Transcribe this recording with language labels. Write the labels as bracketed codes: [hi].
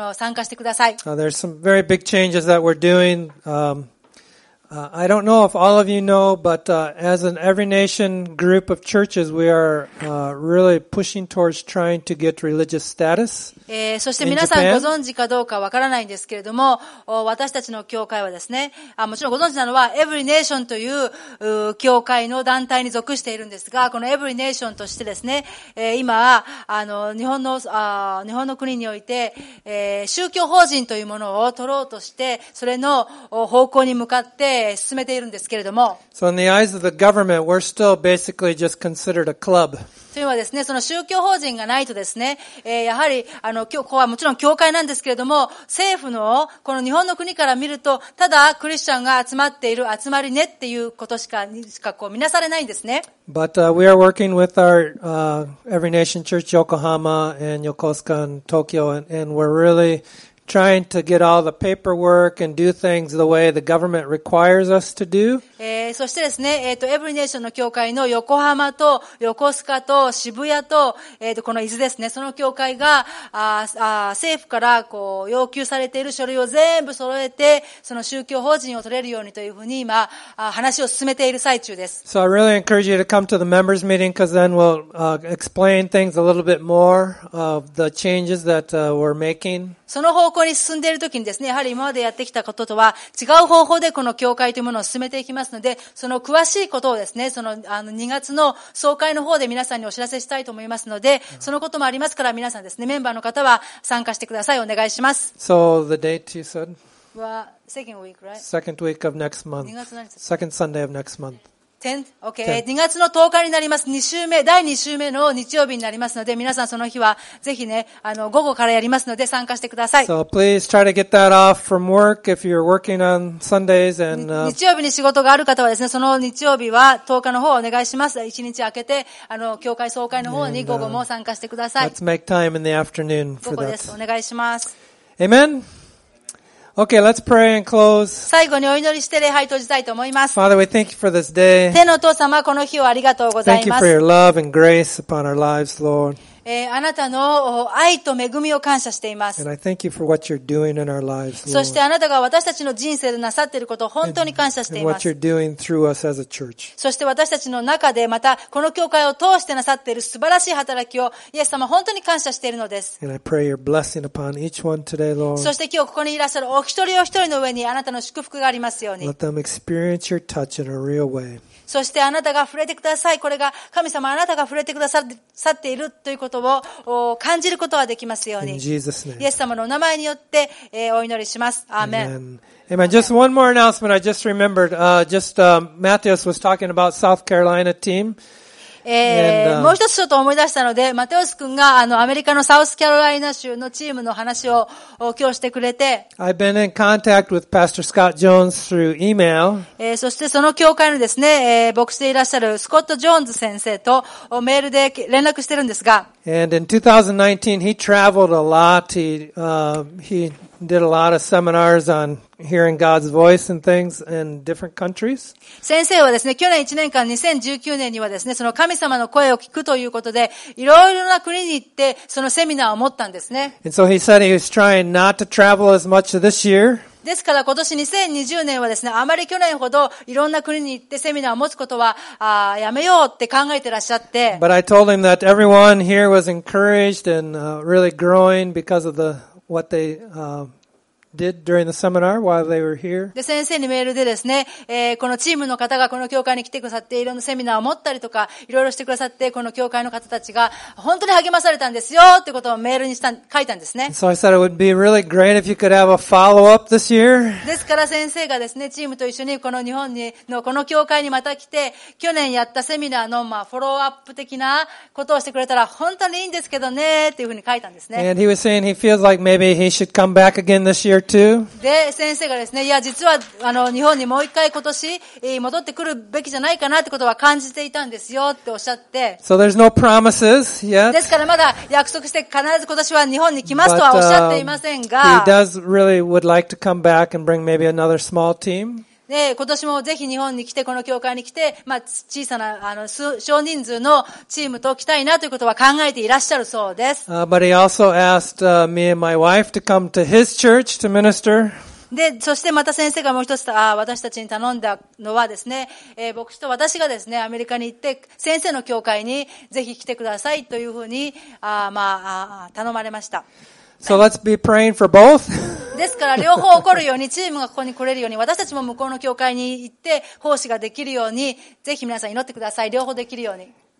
[ja] 参加してください。 [en] There's some very big changes that we're doing. I don't know if all of you know, but, as an every nation group of churches, we are, really pushing towards trying to get religious status. [ja] そして皆さんご存知かどうかわからないんですけれども、私たちの教会はですね、もちろんご存知なのは、every nation という、教会の団体に属しているんですが、この every nation としてですね、今、日本の国において、宗教法人というものを取ろうとして、それの方向に向かって、進めているんですけれども。 [en] So in the eyes of the government, we're still basically just considered a club. [ja] というのはですね、その宗教法人がないとですね、やはり、ここはもちろん教会なんですけれども、政府の、この日本の国から見ると、ただクリスチャンが集まっている集まりねっていうことしかこう見なされないんですね。 [en] But, we are working with our, Every Nation Church, Yokohama and Yokosuka and Tokyo, and we're really,trying to get all the paperwork and do things the way the government requires us to do. [ja] そしてですね、Every Nation の教会の横浜と横須賀と渋谷と、この伊豆ですね、その教会が、政府からこう要求されている書類を全部揃えて、その宗教法人を取れるようにというふうに今、話を進めている最中です。 [en] So I really encourage you to come to the members meeting because then we'll, explain things a little bit more of the changes that, we're making. [ja] その方向に進んでいるときにですね、やはり今までやってきたこととは違う方法でこの教会というものを進めていきますので、その詳しいことをですね、その2月の総会の方で皆さんにお知らせしたいと思いますので、そのこともありますから皆さんですね、メンバーの方は参加してください。お願いします。 [en] So the date you said? は、second week, right? Second week of next month. [ja] 2月何 [en] 日?Second Sunday of next month. [ja] 10? Okay. 10. 2月の10日になります。 2週目、第2週目の日曜日になりますので、皆さんその日はぜひね、午後からやりますので参加してください。 [en] So please try to get that off from work if you're working on Sundays and, [ja] 日曜日に仕事がある方はですね、その日曜日は10日の方をお願いします。 1日空けて、教会総会の方に午後も参加してください。 [en] Let's make time in the afternoon for that. [ja] 午後です。お願いします。 [en] Amen? Okay, let's pray and close. [ja] 最後にお祈りして礼拝閉じたいと思います。 [en] Father, we thank you for this day. [ja] 天のお父様、この日をありがとうございます。 [en] Thank you for your love and grace upon our lives, Lord. [ja] あなたの愛と恵みを感謝しています。 [en] And I thank you for what you're doing in our lives, Lord. [ja] そしてあなたが私たちの人生でなさっていることを本当に感謝しています。 [en] And what you're doing through us as a church. [ja] そして私たちの中で、またこの教会を通してなさっている素晴らしい働きを、イエス様本当に感謝しているのです。 [en] And I pray your blessing upon each one today, Lord. [ja] そして今日ここにいらっしゃるお一人お一人の上にあなたの祝福がありますように。 [en] Let them experience your touch in a real way. [ja] そしてあなたが触れてください。これが神様あなたが触れてくださっているということを感じることができますように。 [en] In Jesus' name. [ja] イエス様のお名前によってお祈りします。アーメン。 [en] Amen. Just one more announcement I just remembered. Matthias was talking about South Carolina team. [ja] もう一つちょっと思い出したので、マテオス君がアメリカのサウスカロライナ州のチームの話を今日してくれて、 [en] I've been in contact with Pastor Scott Jones through email. [ja] そしてその教会のですね、牧師でいらっしゃるスコット・ジョーンズ先生とメールで連絡してるんですが、 [en] And in 2019, he traveled a lot. He did a lot of seminars on hearing God's voice and things in different countries. [ja] 先生はですね、去年1年間、2019年にはですね、その神様の声を聞くということで、いろいろな国に行って、そのセミナーを持ったんですね。 [en] And so he said he was trying not to travel as much this year. [ja] ですから今年2020年はですね、あまり去年ほどいろんな国に行ってセミナーを持つことはやめようって考えてらっしゃって。 [en] But I told him that everyone here was encouraged and really growing because of the what they did during the seminar while they were here. [ja] で先生にメールでですね、このチームの方がこの教会に来てくださっていろんなセミナーを持ったりとかいろいろしてくださってこの教会の方たちが本当に励まされたんですよってことをメールに書いたんですね。 [en] So I said it would be really great if you could have a follow-up this year. [ja] ですから先生がですねチームと一緒にこの日本にのこの教会にまた来て去年やったセミナーのフォローアップ的なことをしてくれたら本当にいいんですけどねっていうふうに書いたんですね。 [en] And he was saying he feels like maybe he should come back again this year. [ja] で先生がですね、いや実は日本にもう一回今年戻ってくるべきじゃないかなってことは感じていたんですよっておっしゃって。 [en] So there's no promises yet. [ja] ですからまだ約束して必ず今年は日本に来ますとはおっしゃっていませんが。 [en] He does really would like to come back and bring maybe another small team. [ja] で今年もぜひ日本に来てこの教会に来て、まあ、小さな少人数のチームと来たいなということは考えていらっしゃるそうです。 [en] But he also asked me and my wife to come to his church to minister. [ja] でそしてまた先生がもう一つ私たちに頼んだのはですね、牧師と私がですねアメリカに行って先生の教会にぜひ来てくださいというふうに頼まれました。 [en] So let's be praying for both. [ja] ですから両方起こるようにチームがここに来れるように私たちも向こうの教会に行って奉仕ができるようにぜひ皆さん祈ってください両方できるように